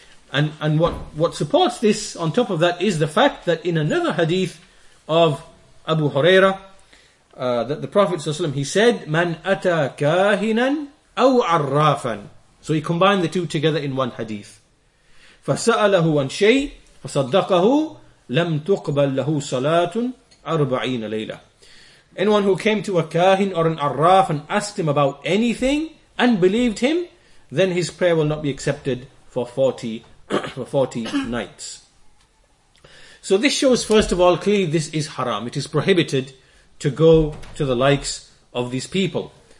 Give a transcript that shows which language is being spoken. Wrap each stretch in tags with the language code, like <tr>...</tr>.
<en>And what supports this on top of that is the fact that in another hadith of Abu Huraira, that the Prophet ﷺ, he said,</en> <ar>"Man ata kahinan aw arrafan."</ar> <en>So he combined the two together in one hadith.</en> <ar>فسأله عن شيء فصدقه لم تقبل له صلاة أربعين ليلة.</ar> <en>Anyone who came to a kahin or an arraf and asked him about anything and believed him, then his prayer will not be accepted for 40 for 40 nights. So this shows, first of all, clearly this is haram. It is prohibited to go to the likes of these people.</en>